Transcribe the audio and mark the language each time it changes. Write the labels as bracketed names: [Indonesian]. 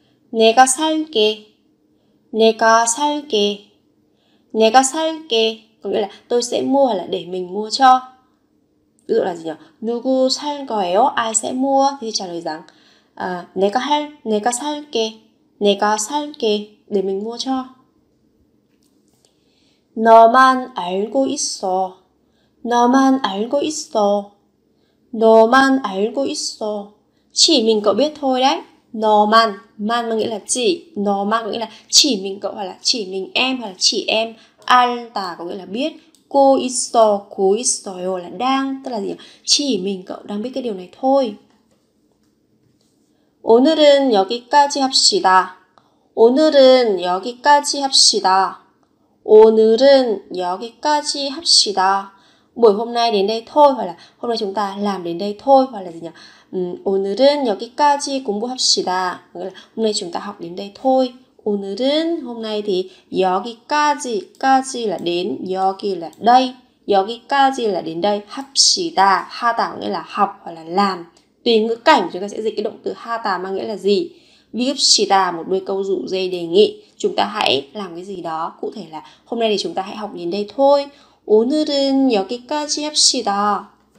[Korean] 내가 살게, 내가 살게, 내가 살게, [Vietnamese] có nghĩa là tôi sẽ mua hoặc là để mình mua cho. Ví dụ là gì nhỉ? [Korean] 누구 살 거예요? [Vietnamese] Ai sẽ mua? Thì trả lời rằng [Korean] 내가 할, 내가 살게, 내가 살게, [Vietnamese] để mình mua cho. [Korean] 너만 알고 있어, 너만 알고 있어, 너만 알고 있어. [Vietnamese] Chỉ mình cậu biết thôi đấy. [Korean] 너만, [Vietnamese] man mà nghĩa là chỉ, 너만 có nghĩa là chỉ mình cậu hoặc là chỉ mình em hoặc là chỉ em. 알다 có nghĩa là biết. [Korean] 고 있어, 고 있어요 [Vietnamese] là đang, tức là gì? Chỉ mình cậu đang biết cái điều này thôi. [Korean] 오늘은 여기까지 합시다. 오늘은 여기까지 합시다. 오늘은 여기까지 합시다. [Vietnamese] Buổi hôm nay đến đây thôi, hoặc là hôm nay chúng ta làm đến đây thôi, hoặc là gì nhỉ? [Korean] 오늘은 여기까지 공부합시다. [Vietnamese] Hôm nay chúng ta học đến đây thôi. [Korean] 오늘은 [Vietnamese] hôm nay thì [Korean] 여기까지, [Vietnamese] 까지 là đến, 여기 là đây, 여기까지 là đến đây, 합시다, 하다 nghĩa là học hoặc là làm. Tùy ngữ cảnh chúng ta sẽ dịch cái động từ 하다 mang nghĩa là gì. 비읍시다 một đuôi câu dụ dây đề nghị, chúng ta hãy làm cái gì đó. Cụ thể là hôm nay thì chúng ta hãy học đến đây thôi. [Korean] 오늘은 여기까지 합시다.